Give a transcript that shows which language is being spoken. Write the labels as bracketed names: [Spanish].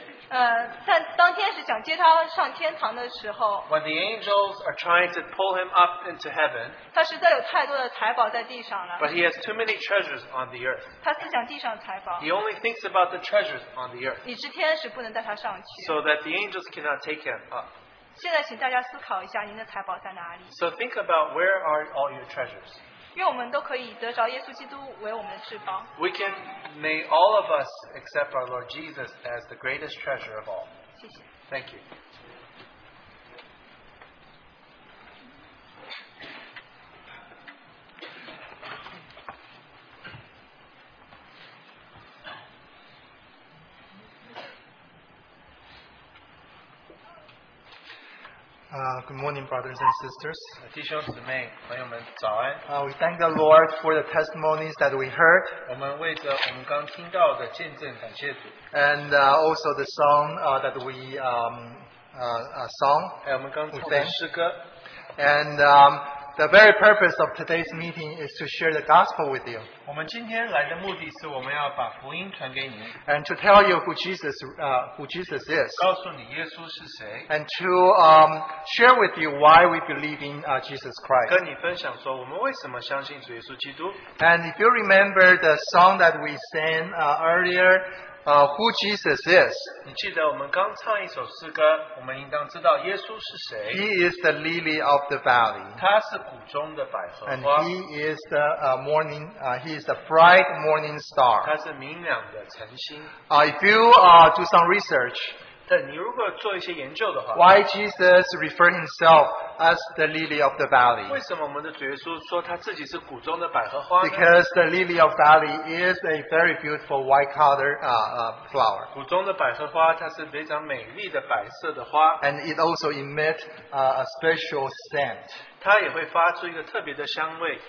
[Chinese] 但当天使想接他上天堂的时候, [English] when the angels are trying to pull him up into heaven, [Chinese] 他实在有太多的财宝在地上了, [English] but he has too many treasures on the earth. [Chinese] 他思想地上财宝, [English] he only thinks about the treasures on the earth, [Chinese] 以致天使不能带他上去, [English] so that the angels cannot take him up. [Chinese] 现在请大家思考一下您的财宝在哪里? [English] So think about where are all your treasures. We can, may all of us accept our Lord Jesus as the greatest treasure of all. [Chinese] 谢谢. [English] Thank you. Good morning, brothers and sisters. [Chinese] 弟兄姊妹, 朋友们, 早安。 [English] We thank the Lord for the testimonies that we heard. [Chinese] 我们为着我们刚听到的见证感谢主。 [English] And also the song that we sung. [Chinese] 我们刚唱的诗歌。 [English] And the very purpose of today's meeting is to share the gospel with you. [Chinese] 我们今天来的目的是我们要把福音传给你。 [English] And to tell you who Jesus is. [Chinese] 告诉你耶稣是谁。 [English] And to share with you why we believe in Jesus Christ. [Chinese] 跟你分享说我们为什么相信主耶稣基督。 [English] And if you remember the song that we sang earlier, who Jesus is. [Chinese] 你记得我们刚唱一首诗歌,我们应当知道耶稣是谁。 [English] He is the lily of the valley. [Chinese] 他是谷中的百合花。 [English] And he is the morning, he is the bright morning star. [Chinese] 他是明亮的晨星。 [English] If you do some research, [Chinese] 对,你如果做一些研究的话, [English] why Jesus referred himself as the lily of the valley? [Chinese] 为什么我们的主耶稣说他自己是谷中的百合花呢? [English] Because the lily of valley is a very beautiful white color flower. [Chinese] 谷中的百合花,它是非常美丽的白色的花, [English] and it also emits a special scent. [Chinese] 它也会发出一个特别的香味。